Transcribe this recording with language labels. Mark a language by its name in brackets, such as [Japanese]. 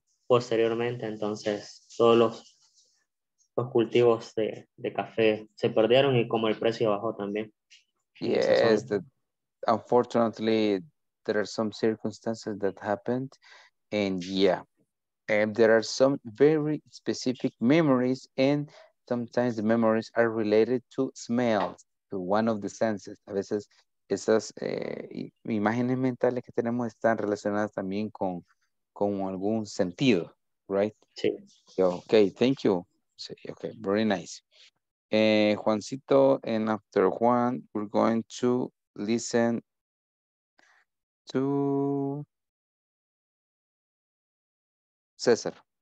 [Spanish] Posteriormente, entonces, todos los cultivos de café se perdieron y como el precio bajó también. [English] Yes, unfortunately, there are some circumstances that happened. And yeah, and there are some very specific memories. And sometimes the memories are related to smells, to one of the senses. [Spanish] A veces esas imágenes mentales que tenemos están relacionadas también con algún sentido, right? Sí. [English] Okay, thank you. Sí, okay, very nice. Juancito, and after Juan, we're going to listen to César.